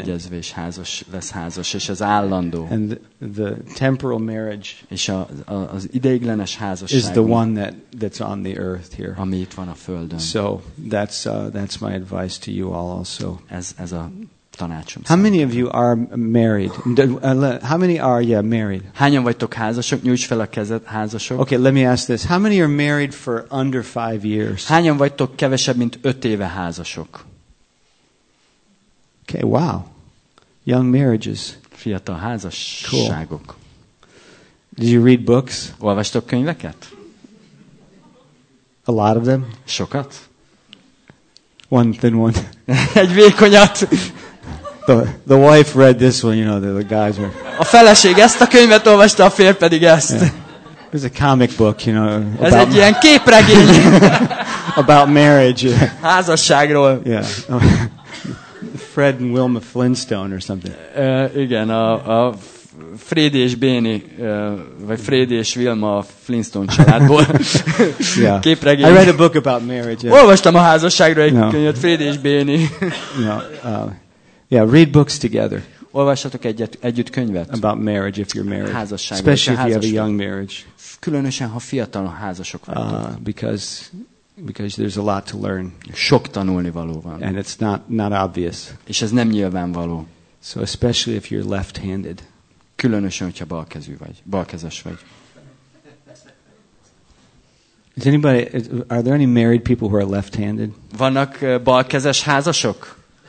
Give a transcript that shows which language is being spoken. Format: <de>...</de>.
<hu>Egyezvés, házas lesz házas, és ez állandó.</hu> <en>And the temporal marriage,</en> <hu>és az ideiglenes házasság,</hu> <en>is the one that's on the earth here.</en> <hu>Ami itt van a földön.</hu> <en>So that's my advice to you all also.</en> <hu>Ez a tanácsom.</hu> <en>How many of you are married? How many are married?</en> <hu>Hányan vagytok házasok? Nyújts fel a kezed, házasok.</hu> <en>Okay, let me ask this. How many are married for under 5 years?</en> <hu>Hányan vagytok kevesebb mint 5 éve házasok?</hu> <en>Okay, wow. Young marriages.</en> <hu>Fiatal házasságok.</hu> <en>Cool. Did you read books?</en> <hu>Olvastok könyveket?</hu> <en>A lot of them?</en> <hu>Sokat.</hu> <en>One thin one.</en> <hu>Egy vékonyat.</hu> <en>The wife read this one, you know, the guys are.</en> <hu>A feleség ezt a könyvet olvasta, a férj pedig ezt.</hu> <en>Yeah. It's a comic book, you know.</en> <hu>Ez egy ilyen képregény.</hu> <en>About marriage.</en> <hu>Házasságról.</hu> <en>Yeah. Fred and Wilma Flintstone or something.</en> <hu>Igen, a Freddy és Béni, vagy Freddy és Wilma Flintstone családból.</hu> <en>Yeah.</en> <hu>Képregény.</hu> <en>I read a book about marriage. Yeah.</en> <hu>Olvastam a házasságról egy könyvet, Freddy és Béni.</hu> <en>Yeah, read books together.</en> <hu>Olvassatok együtt könyvet.</hu> <en>About marriage if you're married.</en> <hu>Házasság,</hu> <en>especially if you have a young marriage.</en> <hu>Különösen ha fiatal házasok vagytok.</hu> <en>Because there's a lot to learn.</en> <hu>Sok tanulni való van.</hu> <en>And it's not obvious.</en> <hu>És ez nem nyilvánvaló.</hu> <en>So especially if you're left-handed.</en> <hu>Különösen hogyha balkezű vagy, balkezes vagy.</hu> <en>Is anybody? Are there any married people who are left-handed?</en> <hu>Vannak balkezes házasok?</hu>